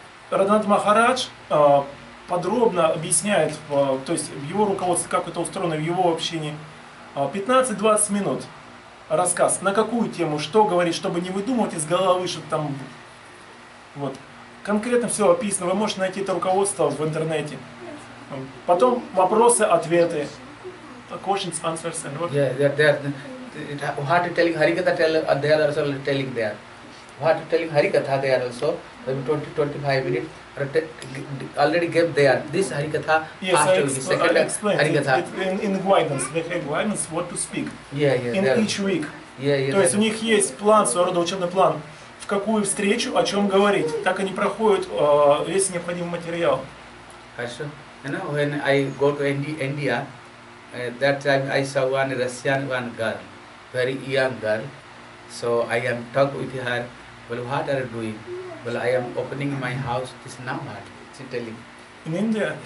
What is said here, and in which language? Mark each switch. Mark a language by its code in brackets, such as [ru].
[ru] Радханат Махарадж подробно объясняет, то есть его руководство, как это устроено в его общении. 15-20 минут рассказ, на какую тему, что говорить, чтобы не выдумывать из головы, чтобы там, вот, конкретно все описано, вы можете найти это руководство в интернете. Потом вопросы-ответы. [en] Questions, answers, and what? What are telling Harikatha, they are also telling there. What are telling Harikatha, they are also, maybe 20-25 minutes. Already gave there this Harikatha. Yes, I explained. Harikatha. In guidance, they have guidance what to speak. Yeah, in each week. Yeah. [ru] То есть у них есть план, своего рода учебный план, в какую встречу, о чем говорить. Так они проходят весь необходимый материал. Хорошо. [en] You know, when I go to India, that time I saw one Russian one girl, very young girl. So I am talk with her. Well, what are you doing? Well, I am opening my house. This Namhat, she telling. In India?